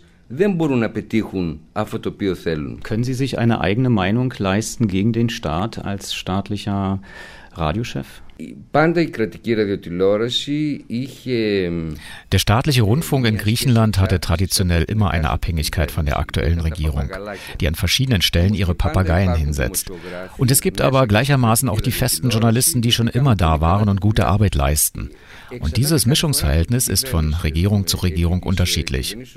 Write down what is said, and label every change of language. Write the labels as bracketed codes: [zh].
[el] Δεν μπορούν να πετύχουν αυτό το οποίο θέλουν. [de] Können Sie sich eine eigene Meinung leisten gegen den Staat als staatlicher Radiochef? [el] Πάντα η κρατική ραδιοτηλεόραση είχε... [de] Der staatliche Rundfunk in Griechenland hatte traditionell immer eine Abhängigkeit von der aktuellen Regierung, die an verschiedenen Stellen ihre Papageien hinsetzt. Und es gibt aber gleichermaßen auch die festen Journalisten, die schon immer da waren und gute Arbeit leisten. Und dieses Mischungsverhältnis ist von Regierung zu Regierung unterschiedlich.